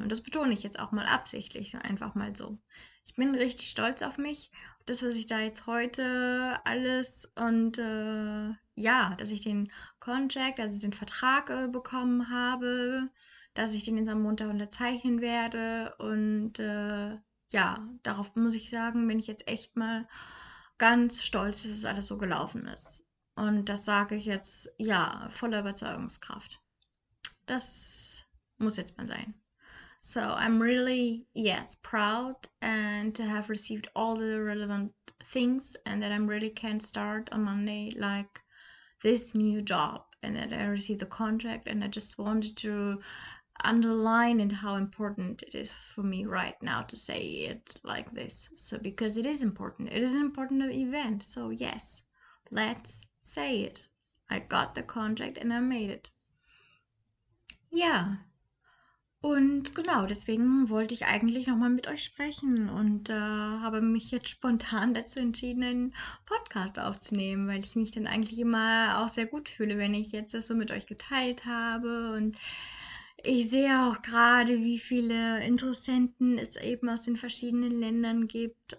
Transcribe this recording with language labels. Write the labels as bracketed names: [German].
[German] Und das betone ich jetzt auch mal absichtlich, so einfach mal so. Ich bin richtig stolz auf mich, das, was ich da jetzt heute alles und ja, dass ich den Contract, also den Vertrag bekommen habe, dass ich den jetzt am Montag unterzeichnen werde und ja, darauf muss ich sagen, bin ich jetzt echt mal ganz stolz, dass es alles so gelaufen ist. Und das sage ich jetzt, ja, voller Überzeugungskraft. Das muss jetzt mal sein. [English] So, I'm really, yes, proud and to have received all the relevant things and that I'm really can start on Monday like this new job and that I received the contract and I just wanted to underline and how important it is for me right now to say it like this. So, because it is important. It is an important event. So, yes, let's say it. I got the contract and I made it. [German] Ja. Und genau, deswegen wollte ich eigentlich nochmal mit euch sprechen und habe mich jetzt spontan dazu entschieden, einen Podcast aufzunehmen, weil ich mich dann eigentlich immer auch sehr gut fühle, wenn ich jetzt das so mit euch geteilt habe und ich sehe auch gerade, wie viele Interessenten es eben aus den verschiedenen Ländern gibt.